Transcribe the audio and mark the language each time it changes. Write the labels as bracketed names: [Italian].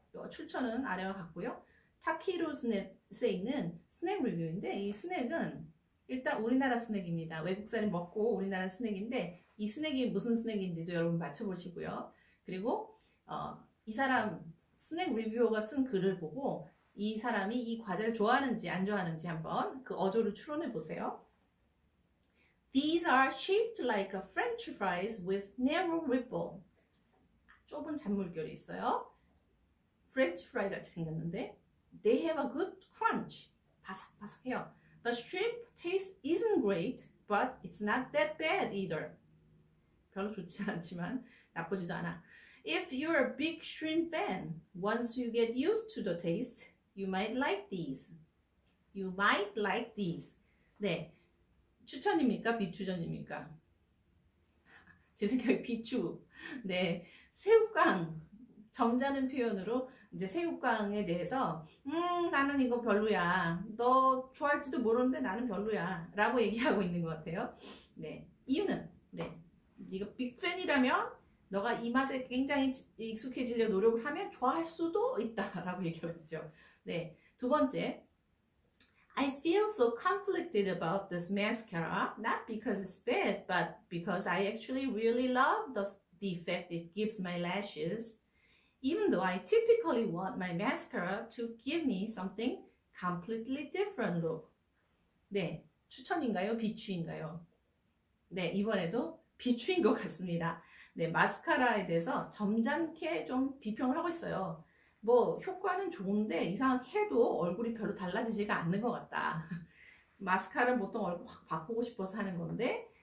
[Korean] 출처는 아래와 같고요. 타키로스넷에 있는 스낵 리뷰인데, 이 스낵은 일단 우리나라 스낵입니다. 외국산에 먹고 우리나라 스낵인데, 이 스낵이 무슨 스낵인지도 여러분 맞춰보시고요. 그리고, 이 사람, 스낵 리뷰어가 쓴 글을 보고, 이 사람이 이 과자를 좋아하는지 안 좋아하는지 한번 그 어조를 추론해 보세요. [English] These are shaped like a French fries with narrow ripple. [Korean] 좁은 잔물결이 있어요. French fry 같이 생겼는데. [English] They have a good crunch. [Korean] 바삭바삭해요. [English] The shrimp taste isn't great, but it's not that bad either. [Korean] 별로 좋지 않지만 나쁘지도 않아. [English] If you're a big shrimp fan, once you get used to the taste, You might like these. You might like these. [Korean] 네. 추천입니까? 비추전입니까? 제 생각에 비추. 네. 새우깡. 점잖은 표현으로 이제 새우깡에 대해서, 나는 이거 별로야. 너 좋아할지도 모르는데 나는 별로야. 라고 얘기하고 있는 것 같아요. 네. 이유는? 네. 이거 빅팬이라면 너가 이 맛에 굉장히 익숙해지려 노력을 하면 좋아할 수도 있다. 라고 얘기하고 있죠. 네, 두 번째. [English] I feel so conflicted about this mascara, not because it's bad, but because I actually really love the effect it gives my lashes, even though I typically want my mascara to give me something completely different look. [Korean] 네, 추천인가요? 비추인가요? 네, 이번에도 비추인 것 같습니다. 네, 마스카라에 대해서 점잖게 좀 비평을 하고 있어요. 뭐 효과는 좋은데 이상해도 얼굴이 별로 달라지지가 않는 것 같다. 마스카라는 보통 얼굴 확 바꾸고 싶어서 하는 건데